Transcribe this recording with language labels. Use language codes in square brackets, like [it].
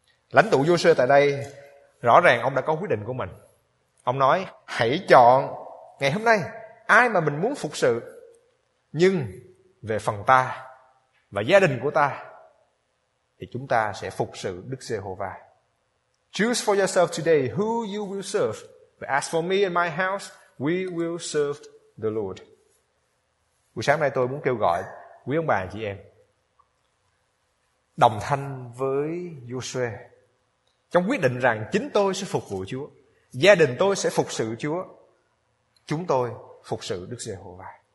[vi] Lãnh tụ Giô-sê tại đây, rõ ràng ông đã có quyết định của mình. Ông nói, hãy chọn ngày hôm nay ai mà mình muốn phục sự. Nhưng về phần ta và gia đình của ta, thì chúng ta sẽ phục sự Đức Giê-hô-va. [en] Choose for yourself today who you will serve. But as for me and my house, we will serve the Lord. [vi] Buổi sáng nay tôi muốn kêu gọi quý ông bà, chị em, đồng thanh với Giô-sê trong quyết định rằng chính tôi sẽ phục vụ Chúa, gia đình tôi sẽ phục sự Chúa, chúng tôi phục sự Đức Giê-hô-va.